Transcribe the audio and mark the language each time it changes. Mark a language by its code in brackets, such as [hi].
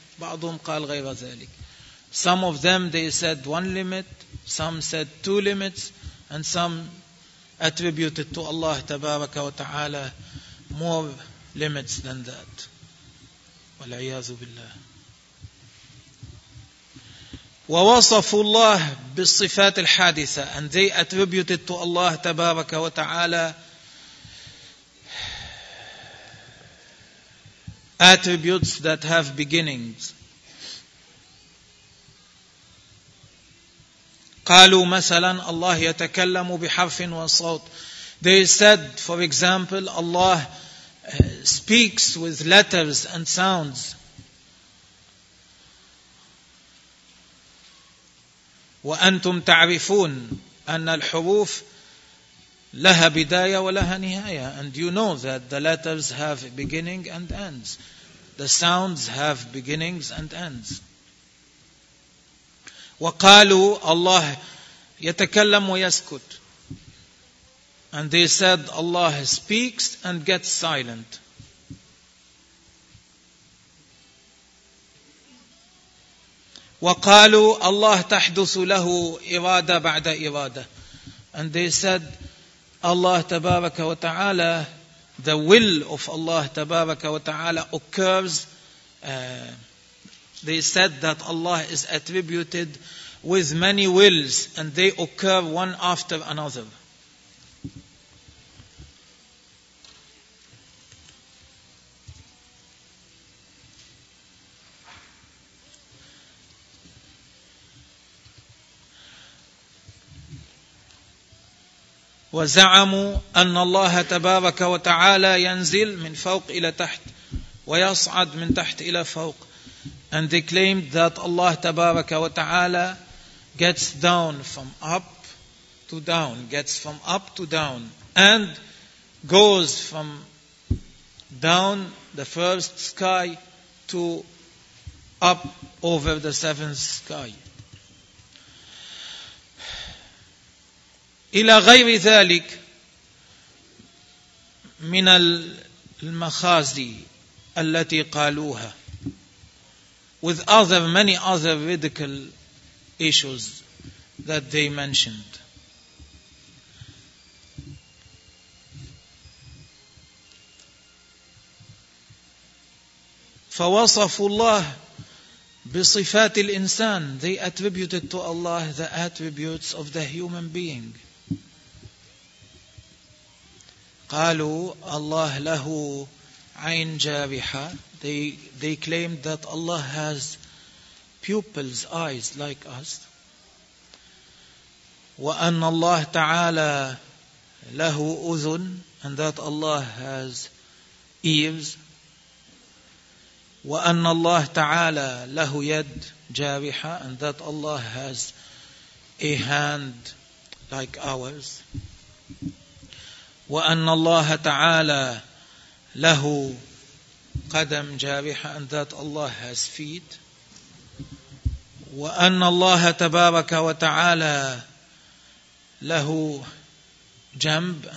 [ar] بعضهم قال غير ذلك. [en] Some of them they said one limit. Some said two limits. And some attributed to Allah [ar] تبارك وتعالى [en] more limits than that. [ar] والعياذ بالله. ووصفوا الله بالصفات الحادثة. [en] And they attributed to Allah [ar] تبارك وتعالى [en] attributes that have beginnings. [ar] قالوا مثلا الله يتكلم بحرف وصوت. [en] They said, for example, Allah speaks with letters and sounds. [ar] وأنتم تعرفون أن الحروف لها بداية ولها نهاية. [en] And you know that the letters have beginning and ends. The sounds have beginnings and ends. [ar] وقالوا الله يتكلم ويسكت. [en] And they said Allah speaks and gets silent. [ar] وقالوا الله تحدث له إرادة بعد إرادة. [en] And they said Allah [ar] تبارك وتعالى, [en] the will of Allah تبارك وتعالى occurs. They said that Allah is attributed with many wills and they occur one after another. [ar] وزعموا أن الله تبارك وتعالى ينزل من فوق إلى تحت ويصعد من تحت إلى فوق. [en] And they claimed that Allah [ar] تبارك وتعالى [en] gets down from up to down, gets from up to down, and goes from down the first sky to up over the seventh sky. [ar] إلى غير ذلك من المخازي التي قالوها. [en] With other, many other ridicule issues that they mentioned. [ar] فوصفوا الله بصفات الإنسان. [en] They attributed to Allah the attributes of the human being. [ar] قالوا الله له عين جارحة. [en] They claimed that Allah has pupils, eyes like us. [ar] وأن الله تعالى له أذن. [en] And that Allah has ears. [ar] وأن الله تعالى له يد جارحة. [en] And that Allah has a hand like ours. [ar] وأن الله تعالى له قدم جارحة. [en] And that Allah has feet. [ar] وأن الله تبارك وتعالى له جنب.